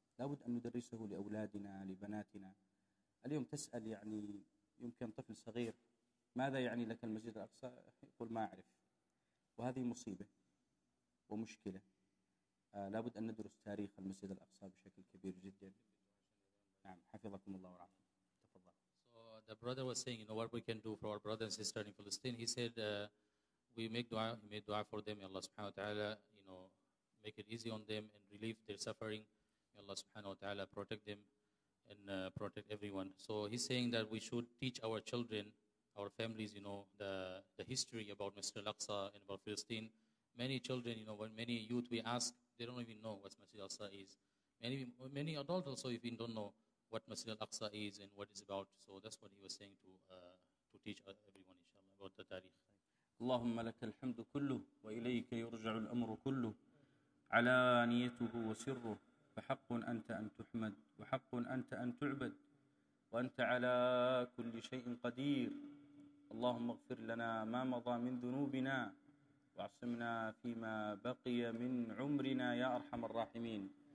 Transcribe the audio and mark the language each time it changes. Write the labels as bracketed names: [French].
[Arabic] لابد أن ندرسه لأولادنا لبناتنا. اليوم تسأل يعني يمكن طفل صغير ماذا يعني لك المسجد الأقصى؟ يقول ما أعرف. وهذه مصيبة ومشكلة. لابد أن ندرس تاريخ المسجد الأقصى بشكل كبير جدا. نعم حفظكم الله ورعاكم. تفضل. [English] So the brother was saying, you know, what we can do for our brother and sister in Palestine. He said, we make dua, we made dua for them. Allah subhanahu wa ta'ala, you know, make it easy on them and relieve their suffering. May Allah subhanahu wa ta'ala protect them and protect everyone. So he's saying that we should teach our children, our families, you know, the history about Masjid al-Aqsa and about Palestine. Many children, you know, when many youth we ask, they don't even know what Masjid al-Aqsa is. Many adults also even don't know what Masjid al-Aqsa is and what it's about. So that's what he was saying to teach everyone, inshallah, about the tariq. [Arabic] Allahumma laka alhamdu kullu wa ilayka yurja'u al-amru kullu. على نيته وسره فحق أنت أن تحمد وحق أنت أن تعبد وأنت على كل شيء قدير. اللهم اغفر لنا ما مضى من ذنوبنا وعصمنا فيما بقي من عمرنا يا أرحم الراحمين.